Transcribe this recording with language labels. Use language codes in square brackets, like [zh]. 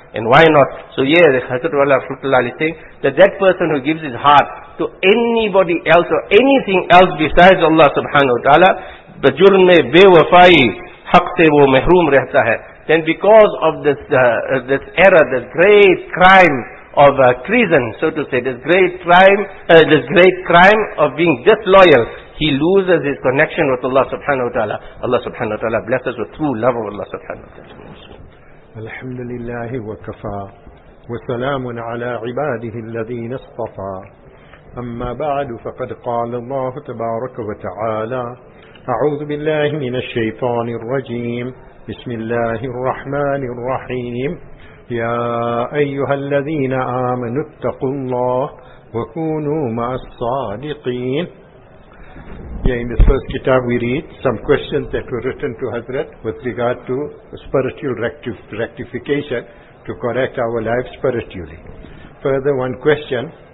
[en] And why not? So yeah, the Hazrat Wala Rahmatullah is saying that person who gives his heart to anybody else or anything else besides Allah subhanahu wa ta'ala, [ur] bajurn mein bewafai, haq se wo mehroom rehta hai. [en] Then because of this error, this great crime of treason, so to say, this great crime of being disloyal, he loses his connection with Allah subhanahu wa ta'ala. Allah subhanahu wa ta'ala bless us with true love of Allah subhanahu wa ta'ala. [ar] الحمد لله وكفى وسلام على عباده الذين اصطفى أما بعد فقد قال الله تبارك وتعالى أعوذ بالله من الشيطان الرجيم بسم الله الرحمن الرحيم يا أيها الذين آمنوا اتقوا الله وكونوا مع الصادقين. [en] Yeah, in this first kitab we read some questions that were written to Hazrat with regard to spiritual rectification to correct our life spiritually. Further one question.